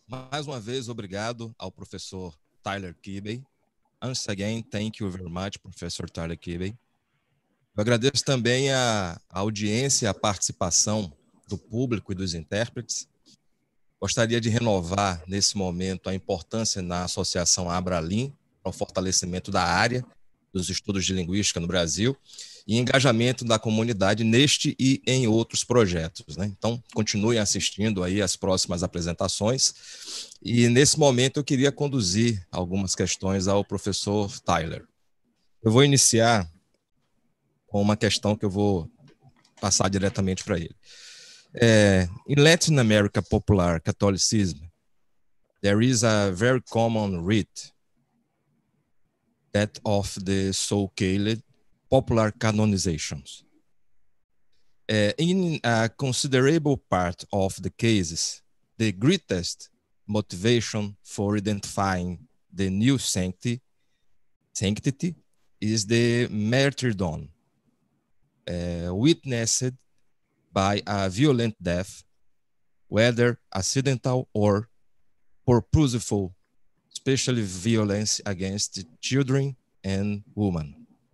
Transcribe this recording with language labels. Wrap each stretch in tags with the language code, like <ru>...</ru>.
<pt>Mais uma vez, obrigado ao professor Tyler Kibbey.</pt> <en>Once again, thank you very much, Professor Tyler Kibbey.</en> <pt>Eu agradeço também a audiência, a participação do público e dos intérpretes. Gostaria de renovar nesse momento a importância na Associação Abralin, para o fortalecimento da área dos estudos de linguística no Brasil e engajamento da comunidade neste e em outros projetos, né? Então, continuem assistindo aí as próximas apresentações. E nesse momento eu queria conduzir algumas questões ao professor Tyler. Eu vou iniciar com uma questão que eu vou passar diretamente para ele.</pt> <en>In Latin America popular Catholicism, there is a very common rite, that of the so-called popular canonizations. In a considerable part of the cases, the greatest motivation for identifying the new sanctity is the martyrdom, witnessed by a violent death, whether accidental or purposeful, especially violence against children and women.</en>